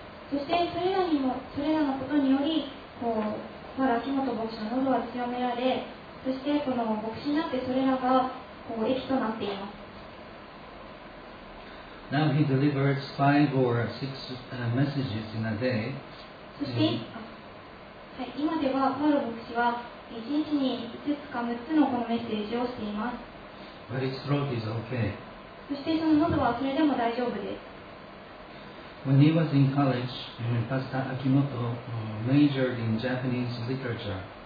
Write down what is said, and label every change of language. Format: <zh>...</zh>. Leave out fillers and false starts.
<ja>そしてそれらにもそれらのことにより、こう、まだ秋元牧師の喉は強められ、そしてこの牧師になってそれらがこう益となっています。</ja> <en>Now he delivers five or six messages in a day.</en> <ja>そして、はい、今ではパウロ牧師は1日に5つか6つのこのメッセージをしています。</ja> <en>But his throat is okay.</en> <ja>そしてその喉はそれでも大丈夫です。</ja> <en>When he was in college, Pastor Akimoto majored in Japanese literature.</en>